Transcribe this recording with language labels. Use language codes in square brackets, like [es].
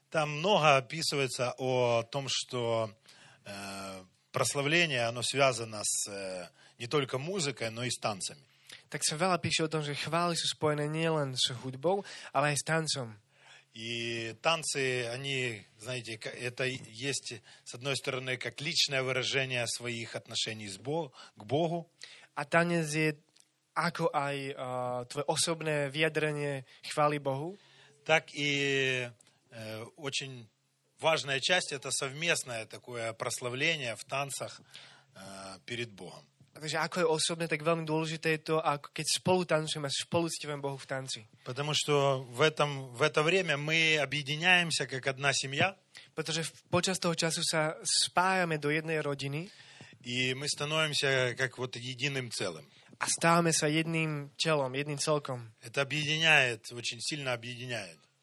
[ru] там много описывается о том, что прославление, оно связано с не только музыкой, но и с танцами. [sk] Tak sa veľa píše o tom, že chvály sú spojené nielen s hudbou, ale aj s tancom. [ru] И танцы, они, знаете, это есть, с одной стороны, как личное выражение своих отношений к Богу. [sk] А танец есть, как и твое особенное выражение хвали Богу. [ru] Так и очень важная часть, это совместное такое прославление в танцах перед Богом. [sk] Takže ako je osobné, tak veľmi dôležité je to, ako keď spolu tancujeme, spolu ctíme Bohu v tanci. [ru] Потому что в это время мы объединяемся как одна семья. [sk] Pretože počas toho času sa spájame do jednej rodiny. [ru] И мы становимся как вот единым целым. [sk] A stávame sa jedným telom, jedným celkom. [ru] Это объединяет, очень сильно объединяет.